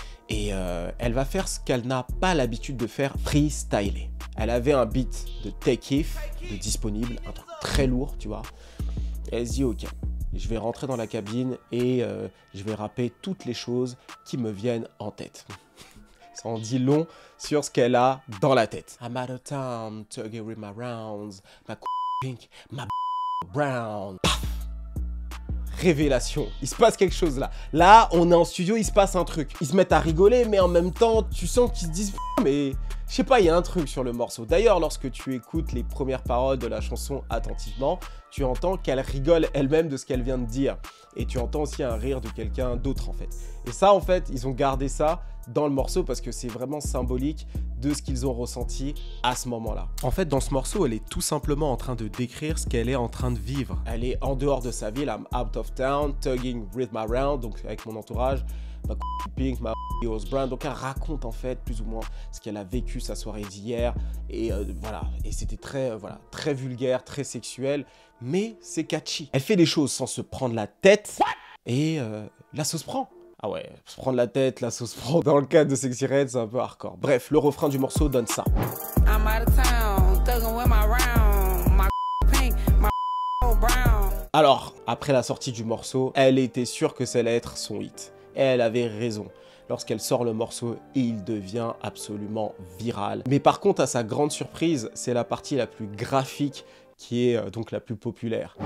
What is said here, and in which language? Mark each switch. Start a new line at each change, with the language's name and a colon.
French: Et elle va faire ce qu'elle n'a pas l'habitude de faire, freestyler. Elle avait un beat de Take If, de disponible, un truc très lourd, tu vois. Elle se dit, ok, je vais rentrer dans la cabine et je vais rapper toutes les choses qui me viennent en tête. Ça en dit long sur ce qu'elle a dans la tête.
English: I'm out of town, tugging with my rounds, my pink, my brown.
French: Paf ! Révélation, il se passe quelque chose là. Là, on est en studio, il se passe un truc. Ils se mettent à rigoler, mais en même temps, tu sens qu'ils se disent, mais... Je sais pas, il y a un truc sur le morceau. D'ailleurs, lorsque tu écoutes les premières paroles de la chanson attentivement, tu entends qu'elle rigole elle-même de ce qu'elle vient de dire. Et tu entends aussi un rire de quelqu'un d'autre, en fait. Et ça, en fait, ils ont gardé ça dans le morceau parce que c'est vraiment symbolique de ce qu'ils ont ressenti à ce moment-là. En fait, dans ce morceau, elle est tout simplement en train de décrire ce qu'elle est en train de vivre. Elle est en dehors de sa ville,
English: I'm out of town, tugging with my round,
French: donc avec mon entourage. Ma pink, ma rose brown. Donc elle raconte en fait plus ou moins ce qu'elle a vécu sa soirée d'hier. Et voilà. Et c'était très, voilà, très vulgaire, très sexuel. Mais c'est catchy. Elle fait les choses sans se prendre la tête. Et la sauce prend. Ah ouais, se prendre la tête, la sauce prend. Dans le cadre de Sexy Red, c'est un peu hardcore. Bref, le refrain du morceau donne ça.
English: I'm out of town, thuggin' with my round. My pink, my brown.
French: Alors, après la sortie du morceau, elle était sûre que ça allait être son hit. Elle avait raison. Lorsqu'elle sort le morceau, il devient absolument viral. Mais par contre, à sa grande surprise, c'est la partie la plus graphique qui est donc la plus populaire.